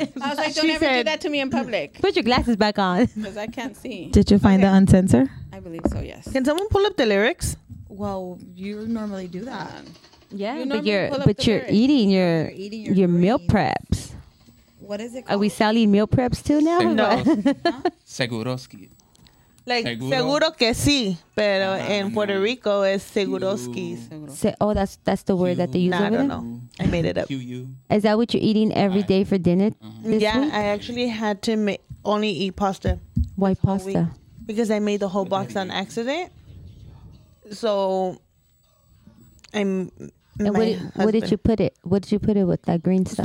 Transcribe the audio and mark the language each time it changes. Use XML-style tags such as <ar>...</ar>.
<en>I was like, don't ever do that to me in public. Put your glasses back on. Because I can't see. Did you find the uncensored? I believe so. Yes. Can someone pull up the lyrics? Well, you normally do that. Yeah, you but you're eating your meal preps. What is it called? Are we selling meal preps too now? No.</en> <es>Seguroski. Like, seguro que sí, pero en Puerto Rico es seguroski.</es> <en>That's the word that they use over there? I don't know. I made it up. Is that what you're eating every day for dinner? Yeah, I actually had to only eat pasta. Why pasta? Because I made the whole box on accident. So... What did you put it with that green stuff?</en>